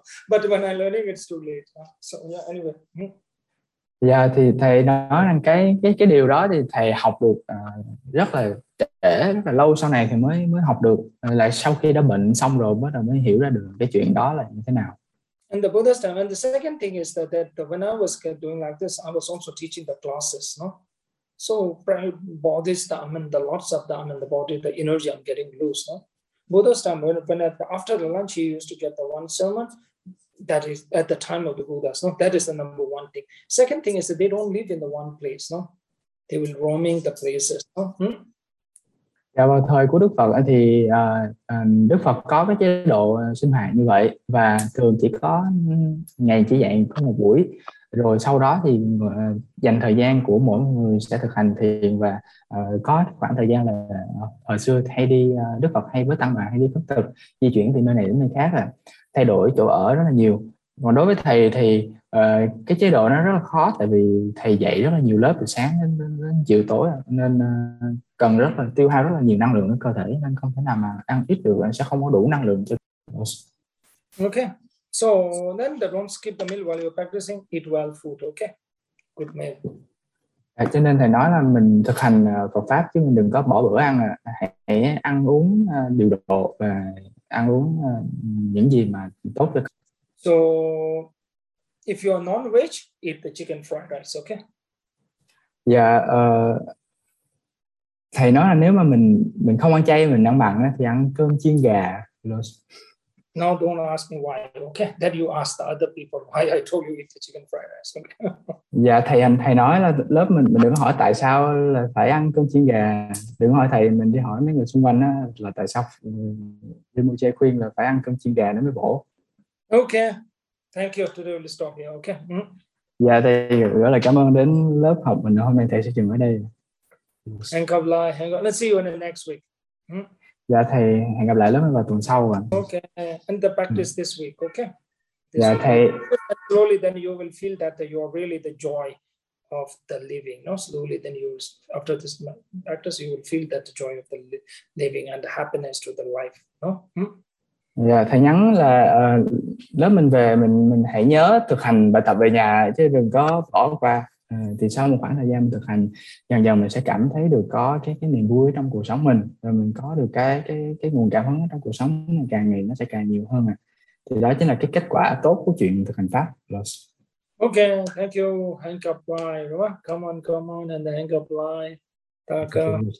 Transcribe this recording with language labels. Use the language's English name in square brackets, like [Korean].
[English] But when I'm learning, it's too late. So yeah. Anyway. [Vietnamese] Yeah, thì thầy nói rằng cái điều đó thì thầy học được rất là trễ, rất là lâu sau này thì mới học được. Lại sau khi đã bệnh xong rồi bắt đầu mới hiểu ra được cái chuyện đó là như thế nào. [English] And the Buddha's time. And the second thing is that when I was doing like this, I was also teaching the classes, no? So body's the lots of them in the body, the energy I'm getting loose, no? Buddha's time, when at the, after the lunch, he used to get the one sermon. That is at the time of the Buddhas. No, that is the number one thing. Second thing is that they don't live in the one place. No, they will roaming the places. No? [Vietnamese] Dạ, vào thời của Đức Phật thì Đức Phật có cái chế độ sinh hoạt như vậy và thường chỉ có ngày chỉ dạy có một buổi, rồi sau đó thì dành thời gian của mỗi người sẽ thực hành thiền và có khoảng thời gian là hồi xưa hay đi Đức Phật hay với tăng bạn hay đi phước thực di chuyển từ nơi này đến nơi khác, là thay đổi chỗ ở rất là nhiều. Còn đối với thầy thì cái chế độ nó rất là khó, tại vì thầy dạy rất là nhiều lớp từ sáng đến chiều tối, nên cần rất là tiêu hao rất là nhiều năng lượng ở cơ thể, nên không thể nào mà ăn ít được, sẽ không có đủ năng lượng cho. [English] Okay, so then the don't skip the meal while you're practicing, eat well food, okay, good meal. [Vietnamese] À, cho nên thầy nói là mình thực hành Phật pháp chứ mình đừng có bỏ bữa ăn, hãy ăn uống điều độ và ăn uống những gì mà tốt cho. [English] So if you are non-veg, eat the chicken fried rice, okay? [Vietnamese] Dạ, thầy nói là nếu mà mình không ăn chay, mình ăn mặn thì ăn cơm chiên gà. [English] No, don't ask me why, okay? Then you ask the other people why I told you eat the chicken fried rice, okay? [Vietnamese] Dạ, thầy nói là lớp mình đừng hỏi tại sao là phải ăn cơm chiên gà. Đừng hỏi thầy, mình đi hỏi mấy người xung quanh là tại sao Rinpoche khuyên là phải ăn cơm chiên gà nó mới bổ. [English] Okay, thank you. Today we'll stop here. Okay. [Vietnamese] Yeah, thầy rất là cảm ơn đến lớp học mình hôm nay, thầy sẽ dừng ở đây. Hẹn gặp lại. [English] Let's see you in the next week. [Vietnamese] Yeah, thầy hẹn gặp lại lớp mình vào tuần sau. [English] Okay, and the practice this week. Okay. [Vietnamese] Yeah, thầy. [English] Slowly, then you will feel that you are really the joy of the living. No, slowly, then you after this practice, you will feel that the joy of the living and the happiness to the life. No. [Vietnamese] Dạ, thầy nhắn là lớp mình về mình hãy nhớ thực hành bài tập về nhà chứ đừng có bỏ qua. Thì sau một khoảng thời gian mình thực hành, dần dần mình sẽ cảm thấy được có cái niềm vui trong cuộc sống mình, rồi mình có được cái nguồn cảm hứng trong cuộc sống này, càng ngày nó sẽ càng nhiều hơn à. Thì đó chính là cái kết quả tốt của chuyện thực hành pháp. [English] Plus. Okay, thank you. Hang up bye. Come on and hang up bye.